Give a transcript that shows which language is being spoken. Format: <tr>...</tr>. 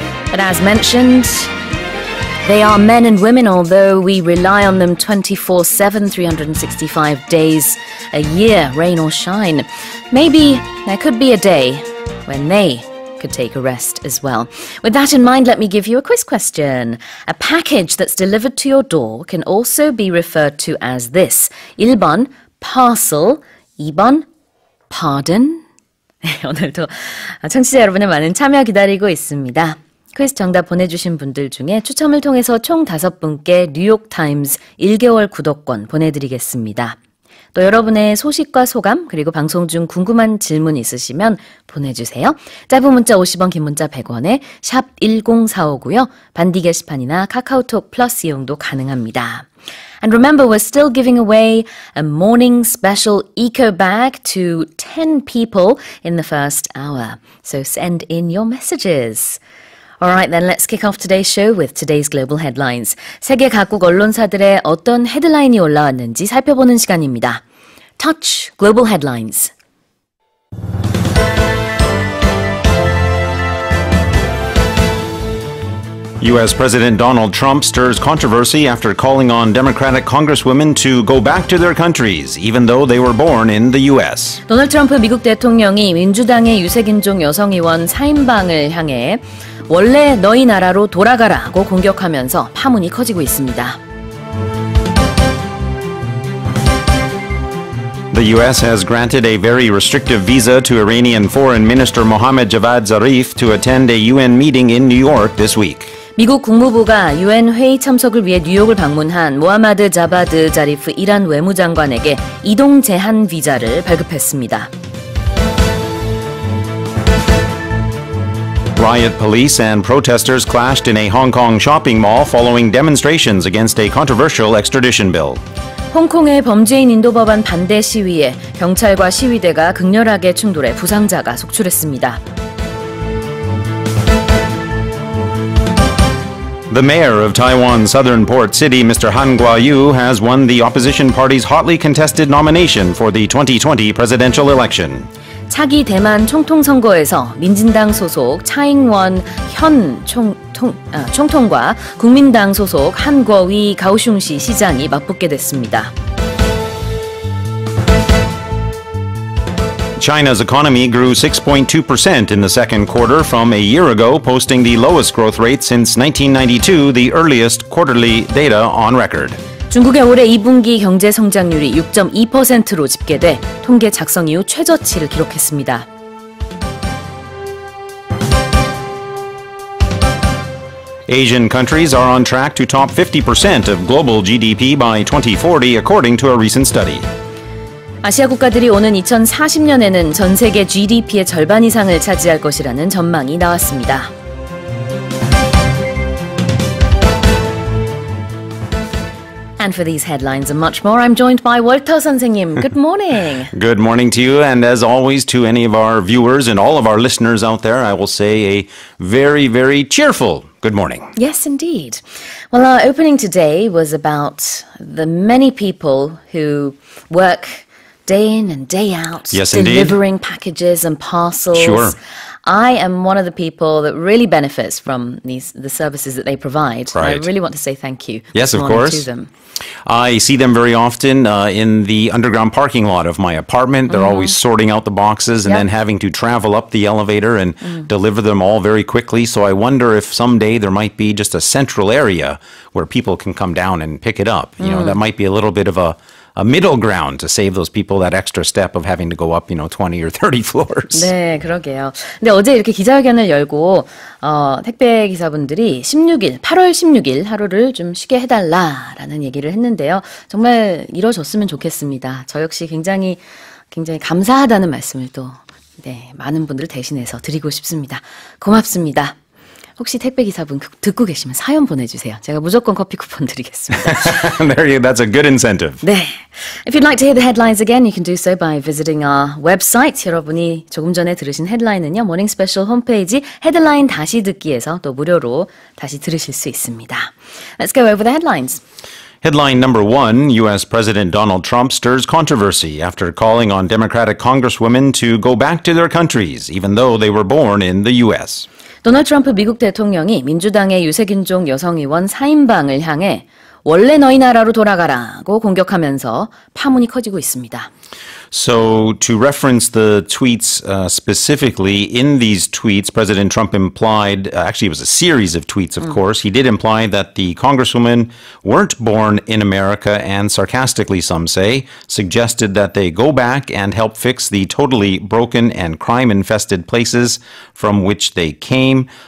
<en>But as mentioned, they are men and women, although we rely on them 24/7, 365 days a year, rain or shine. Maybe there could be a day when they could take a rest as well. With that in mind, let me give you a quiz question. A package that's delivered to your door can also be referred to as this.</en> <ko>1번,</ko> <en>parcel.</en> <ko>2번,</ko> <en>pardon.</en> <ko>오늘도 청취자 여러분의 많은 참여 기다리고 있습니다. 퀴즈 정답 보내주신 분들 중에 추첨을 통해서 총 5분께 뉴욕타임즈 1개월 구독권 보내드리겠습니다. 또 여러분의 소식과 소감 그리고 방송 중 궁금한 질문 있으시면 보내주세요. 짧은 문자 50원, 긴 문자 100원에 샵 1045고요. 반디 게시판이나 카카오톡 플러스 이용도 가능합니다.</ko> <en>And remember, we're still giving away a morning special eco bag to 10 people in the first hour. So send in your messages. Alright then, let's kick off today's show with today's global headlines.</en> <ko>세계 각국 언론사들의 어떤 헤드라인이 올라왔는지 살펴보는 시간입니다.</ko> <en>Touch Global Headlines. US President Donald Trump stirs controversy after calling on Democratic Congresswomen to go back to their countries even though they were born in the US.</en> <ko>도널드 트럼프 미국 대통령이 민주당의 유색인종 여성 의원 사인방을 향해 원래 너희 나라로 돌아가라고 공격하면서 파문이 커지고 있습니다.</ko> <en>The US has granted a very restrictive visa to Iranian Foreign Minister Mohammad Javad Zarif to attend a UN meeting in New York this week.</en> <ko>미국 국무부가 UN 회의 참석을 위해 뉴욕을 방문한 모하마드 자바드 자리프 이란 외무장관에게 이동 제한 비자를 발급했습니다.</ko> <en>Riot police and protesters clashed in a Hong Kong shopping mall following demonstrations against a controversial extradition bill.</en> <ko>홍콩의 범죄인 인도법안 반대 시위에 경찰과 시위대가 극렬하게 충돌해 부상자가 속출했습니다.</ko> <en>The mayor of Taiwan's southern port city, Mr. Han Guayu, has won the opposition party's hotly contested nomination for the 2020 presidential election.</en> <ko>차기 대만 총통 선거에서 민진당 소속 차잉원 현 총통과 국민당 소속 한궈위 가오슝시 시장이 맞붙게 됐습니다.</ko> <en>China's economy grew 6.2% in the second quarter from a year ago, posting the lowest growth rate since 1992, the earliest quarterly data on record.</en> <ko>중국의 올해 2분기 경제 성장률이 6.2%로 집계돼 통계 작성 이후 최저치를 기록했습니다.</ko> <en>Asian countries are on track to top 50% of global GDP by 2040 according to a recent study.</en> <ko>아시아 국가들이 오는 2040년에는 전 세계 GDP의 절반 이상을 차지할 것이라는 전망이 나왔습니다.</ko> <en>And for these headlines and much more, I'm joined by Walter 선생님. Good morning. Good morning to you. And as always, to any of our viewers and all of our listeners out there, I will say a very, very cheerful good morning. Yes, indeed. Well, our opening today was about the many people who work day in and day out, yes, delivering indeed. Packages and parcels. Sure. I am one of the people that really benefits from these the services that they provide. Right. I really want to say thank you. Yes, of course. To them. I see them very often in the underground parking lot of my apartment. They're mm-hmm. always sorting out the boxes and then having to travel up the elevator and deliver them all very quickly. So I wonder if someday there might be just a central area where people can come down and pick it up. You know, that might be a little bit of a middle ground to save those people that extra step of having to go up, you know, 20 or 30 floors.</en> <ko>네, 그러게요. 근데 어제 이렇게 기자회견을 열고 택배 기사분들이 16일, 8월 16일 하루를 좀 쉬게 해달라라는 얘기를 했는데요. 정말 이뤄졌으면 좋겠습니다. 저 역시 굉장히 굉장히 감사하다는 말씀을 또 네, 많은 분들을 대신해서 드리고 싶습니다. 고맙습니다. 혹시 택배 기사분 듣고 계시면 사연 보내주세요. 제가 무조건 커피 쿠폰 드리겠습니다.</ko> <en>There you go. That's a good incentive.</en> <ko>네.</ko> <en>If you'd like to hear the headlines again, you can do so by visiting our website.</en> <ko>여러분이 조금 전에 들으신 헤드라인은요, Morning Special 홈페이지 헤드라인 다시 듣기에서 또 무료로 다시 들으실 수 있습니다.</ko> <en>Let's go over the headlines. Headline number one, U.S. President Donald Trump stirs controversy after calling on Democratic congresswomen to go back to their countries, even though they were born in the U.S.</en> <ko>도널드 트럼프 미국 대통령이 민주당의 유색인종 여성 의원 4인방을 향해 원래 너희 나라로 돌아가라고 공격하면서 파문이 커지고 있습니다.</ko> <en>So to reference the tweets specifically, in these tweets, President Trump implied, actually it was a series of tweets, of course, he did imply that the congresswomen weren't born in America and sarcastically, some say, suggested that they go back and help fix the totally broken and crime-infested places from which they came.</en>